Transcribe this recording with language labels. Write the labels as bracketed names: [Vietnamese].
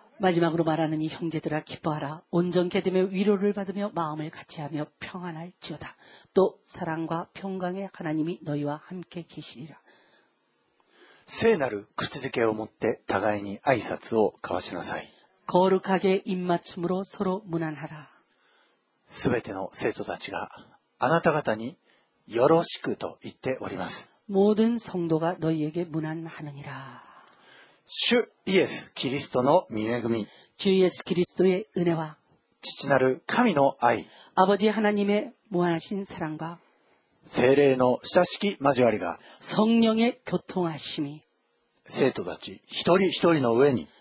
[Korean] 마지막으로말하는이형제들아기뻐하라온전케됨의위로를받으며마음을같이하며평안할지어다또사랑과평강의하나님이너희와함께계시리라 [Japanese] 聖なる口づけを持って互いに挨拶を交わしなさい。 [Korean] 거룩하게입맞춤으로서로문안하라 [Japanese] すべての生徒たちがあなた方によろしくと言っております。 [Korean] 모든성도가너희에게문안하느니라 [Japanese] 主イエスキリストの御恵み、主イエスキリストの恵みは、父なる神の愛、 [Korean] 아버지하나님의무한하신사랑과、 [Japanese] 聖霊の親しき交わりが、 [Korean] 성령의교통하심이、 [Japanese] 生徒たち一人一人の上に、